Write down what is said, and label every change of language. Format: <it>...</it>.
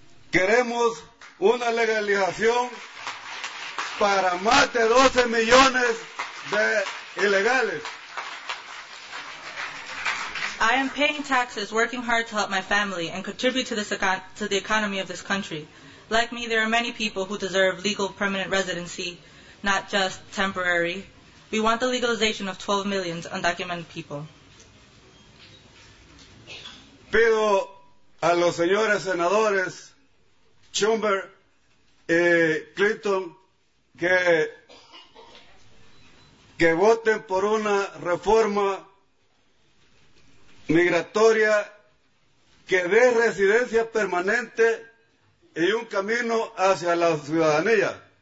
<es>Queremos una legalización para más de 12 millones de ilegales.</es> <en>I am paying taxes, working hard to help my family, and contribute to the economy of this country. Like me, there are many people who deserve legal permanent residency, not just temporary. We want the legalization of 12 million undocumented people.</en> <es>Pido a los señores senadores Schumer y Clinton que voten por una reforma migratoria que dé residencia permanente y un camino hacia la ciudadanía.</es>